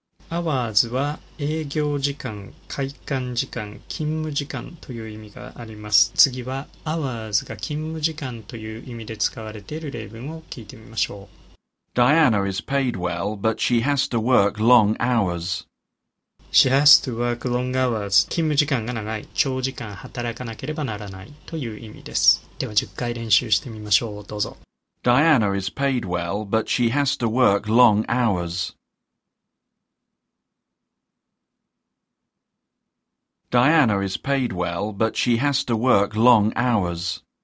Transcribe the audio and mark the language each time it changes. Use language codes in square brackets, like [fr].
[ja] Hours は営業時間、開館時間、勤務時間という意味があります。次は Hours が勤務時間という意味で使われている例文を聞いてみましょう。 [en] Diana is paid well, but she has to work long hours. She has to work long hours. [ja] 勤務時間が長い、長時間働かなければならないという意味です。では10回練習してみましょう。どうぞ。 [en] Diana is paid well, but she has to work long hours. Diana is paid well, but she has to work long hours.